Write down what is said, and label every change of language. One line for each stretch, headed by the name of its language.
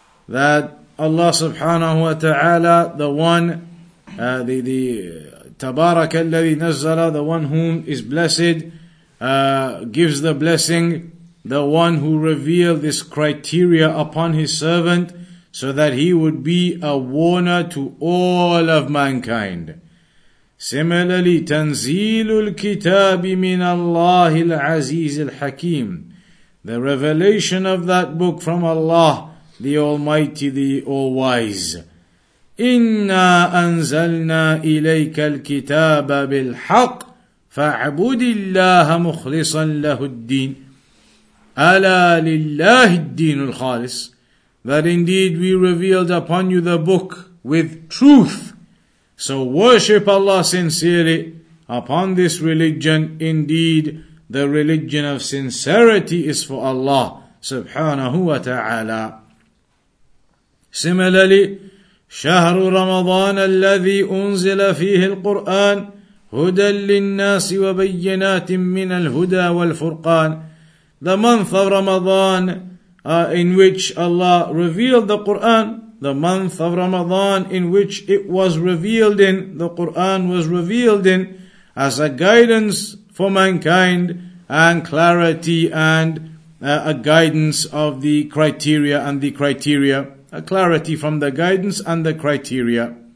English: That Allah subhanahu wa ta'ala,
Arabic: تَبَارَكَ الَّذِي نَزَّلَ,
English: the one whom is blessed, gives the blessing, the one who revealed this criteria upon his servant, so that he would be a warner to all of mankind. Similarly,
Arabic: تنزيل الكتاب من الله العزيز الحكيم.
English: The revelation of that book from Allah, the Almighty, the All-Wise.
Arabic: إِنَّا أَنزَلْنَا إِلَيْكَ الْكِتَابَ بِالْحَقِّ فَاعْبُدِ اللَّهَ مُخْلِصًا لَهُ الدِّينَ أَلَا لِلَّهِ الدِّينُ الْخَالِصِ.
English: That indeed we revealed upon you the book with truth. So worship Allah sincerely upon this religion. Indeed, the religion of sincerity is for Allah subhanahu wa ta'ala. Similarly,
Arabic: شهر رمضان الذي أنزل فيه القرآن هدى للناس وبينات من الهدى والفرقان.
English: The month of Ramadan in which Allah revealed the Qur'an, the month of Ramadan in which it was revealed in, the Qur'an was revealed in, as a guidance for mankind, and clarity and a guidance of the criteria and the criteria, a clarity from the guidance and the criteria.